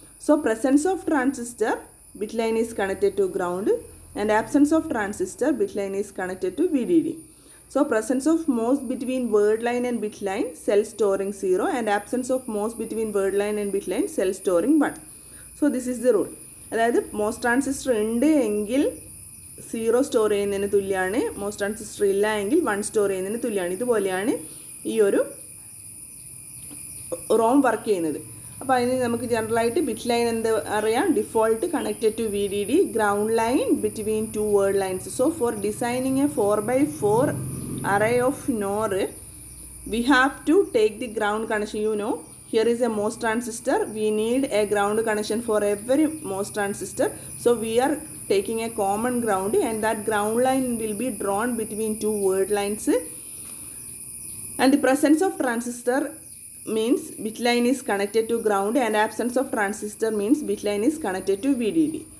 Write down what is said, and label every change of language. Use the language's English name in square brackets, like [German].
[English] So presence of transistor, bit line is connected to ground, and absence of transistor, bit line is connected to VDD. So presence of MOS between word line and bit line, cell storing 0, and absence of MOS between word line and bit line, cell storing 1. So this is the rule. [Malayalam] അതായത് MOS transistor ഉണ്ട് എങ്കിൽ 0 store ചെയ്യുന്നതിന് തുല്യമാണ്, MOS transistor ഇല്ല എങ്കിൽ 1 store ചെയ്യുന്നതിന് തുല്യമാണ്. ഇതുപോലെയാണ് ഈ ഒരു റോം വർക്ക് ചെയ്യുന്നത്. അപ്പോൾ അതിന് നമുക്ക് ജനറലായിട്ട് ബിറ്റ് ലൈൻ എന്താ അറിയാം, [English] Default connected to VDD, ground line between two word lines. So for designing a 4x4 array of NOR we have to take the ground connection. You know here is a MOS transistor, we need a ground connection for every MOS transistor, so we are taking a common ground, and that ground line will be drawn between two word lines, and the presence of transistor means bit line is connected to ground, and absence of transistor means bit line is connected to VDD.